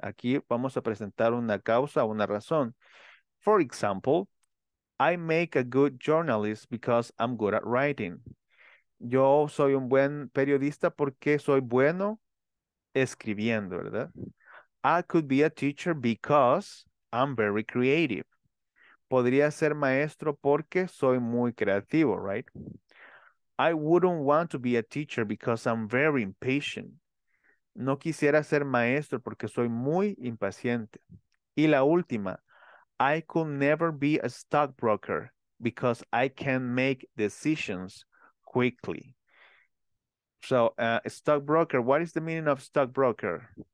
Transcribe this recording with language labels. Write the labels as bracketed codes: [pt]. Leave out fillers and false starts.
[es] Aquí vamos a presentar una causa, una razón. [en] For example, I make a good journalist because I'm good at writing. [es] Yo soy un buen periodista porque soy bueno escribiendo, ¿verdad? [en] I could be a teacher because I'm very creative. [es] Podría ser maestro porque soy muy creativo, right? [en] I wouldn't want to be a teacher because I'm very impatient. [es] No quisiera ser maestro porque soy muy impaciente. Y la última, [en] I could never be a stockbroker because I can make decisions quickly. So, stockbroker, what is the meaning of stockbroker?